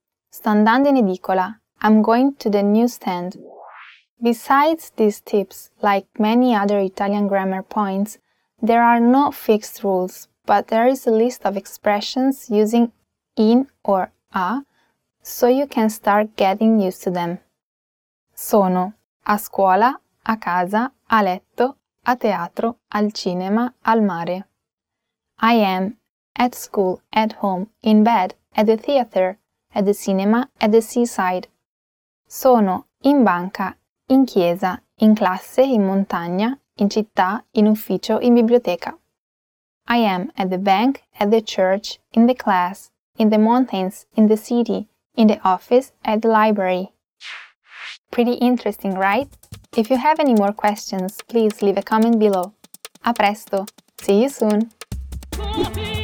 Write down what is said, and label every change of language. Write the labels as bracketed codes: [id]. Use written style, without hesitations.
[it] Sto andando in edicola. [en] I'm going to the newsstand. Besides these tips, like many other Italian grammar points, there are no fixed rules, but there is a list of expressions using in or a, so you can start getting used to them. [it] Sono a scuola, a casa, a letto, a teatro, al cinema, al mare. [en] I am at school, at home, in bed, at the theater, at the cinema, at the seaside. [it] Sono in banca, in chiesa, in classe, in montagna, in città, in ufficio, in biblioteca. [en] I am at the bank, at the church, in the class, in the mountains, in the city, in the office, at the library. Pretty interesting, right? If you have any more questions, please leave a comment below. [it] A presto! [en] See you soon!